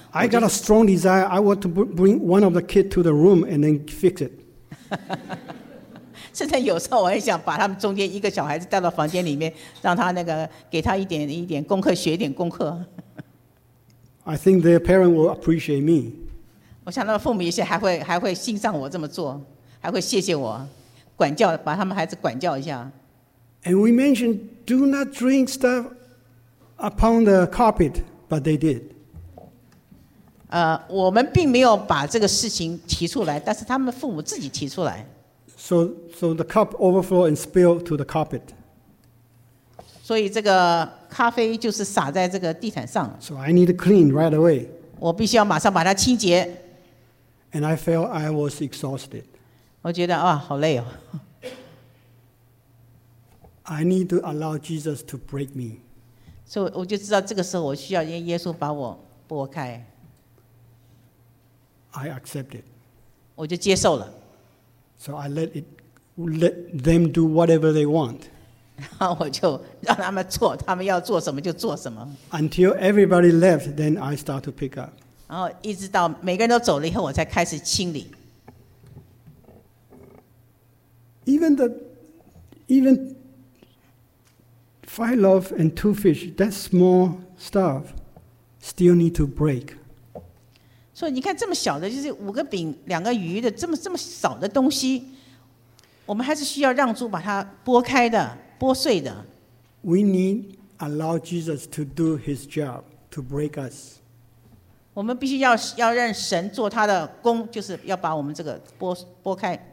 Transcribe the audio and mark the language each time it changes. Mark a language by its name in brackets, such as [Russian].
[English] I got a strong desire. I want to bring one of the kids to the room and then fix it. [Chinese] 甚至有时候我很想把他们中间一个小孩子带到房间里面，让他那个给他一点功课，学一点功课。 [English] I think their parent will appreciate me. [Chinese] 我想他们父母也许还会欣赏我这么做，还会谢谢我，管教把他们孩子管教一下。 [English] And we mentioned do not drink stuff upon the carpet, but they did. [Chinese] 我们并没有把这个事情提出来，但是他们父母自己提出来。 [English] So the cup overflowed and spilled to the carpet. [Chinese] 所以这个咖啡就是洒在这个地毯上。 [English] So I need to clean right away. [Chinese] 我必须要马上把它清洁。 [English] And I felt I was exhausted. [Chinese] 我觉得啊，好累哦。 [English] I need to allow Jesus to break me. [Chinese] 所以我就知道这个时候我需要耶稣把我拨开。 [English] I accept it. [Chinese] 我就接受了。 [English] So I let them do whatever they want. [Chinese] 然后我就让他们做，他们要做什么就做什么。 [English] Until everybody left, then I start to pick up. [Chinese] 然后一直到每个人都走了以后，我才开始清理。 [English] Even five loaves and two fish, that small stuff, still need to break. [Chinese] 所以你看这么小的，就是五个饼两个鱼的这么少的东西，我们还是需要让主把它拨开的，拨碎的。 [English] We need allow Jesus to do his job to break us. [Chinese] 我们必须 要让神做他的工，就是要把我们这个 拨开。